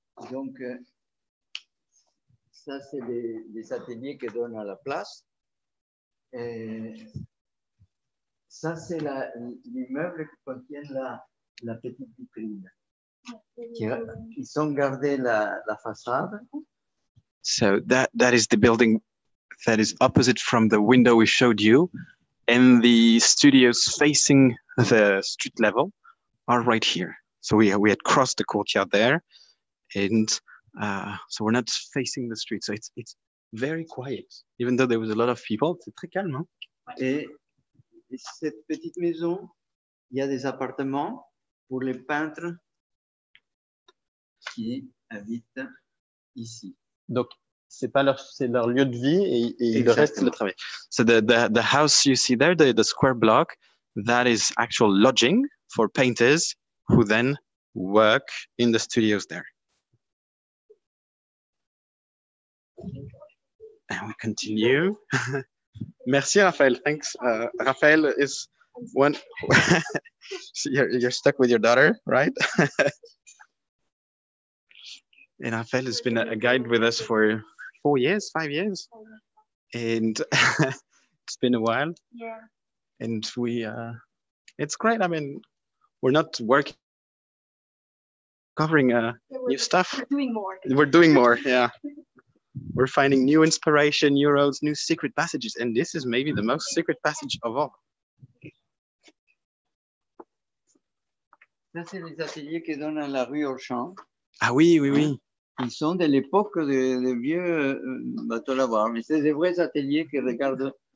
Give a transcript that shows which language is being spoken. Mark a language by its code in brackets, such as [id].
[fr] Donc, ça c'est des ateliers qui donnent à la place. Et ça c'est l'immeuble qui contient la petite vitrine. Ils ont gardé la façade. [en] So that is the building that is opposite from the window we showed you, and the studios facing the street level are right here. So we had crossed the courtyard there, and so we're not facing the street. So it's very quiet, even though there was a lot of people. [fr] C'est très calme, hein? Et cette petite maison, il y a des appartements pour les peintres. Qui habite ici. Donc c'est pas leur lieu de vie et le reste le travail. [en] So the house you see there, the square block, that is actual lodging for painters who then work in the studios there. And we continue. [fr] Merci [en] Raphaël. Thanks. Raphaël is one. So you're stuck with your daughter, right? And Raphaël has been a guide with us for 4 years, 5 years. And it's been a while. Yeah. And we, it's great. I mean, we're not working, covering new stuff. We're doing more. We're doing more, yeah. We're finding new inspiration, new roads, new secret passages, and this is maybe the most secret passage of all. [fr] Ça, c'est les ateliers qui donnent à la rue Auchan. Ah oui, oui, oui. Ils sont de l'époque de vieux bateaux lavoirs, mais c'est des vrais ateliers qui regardent.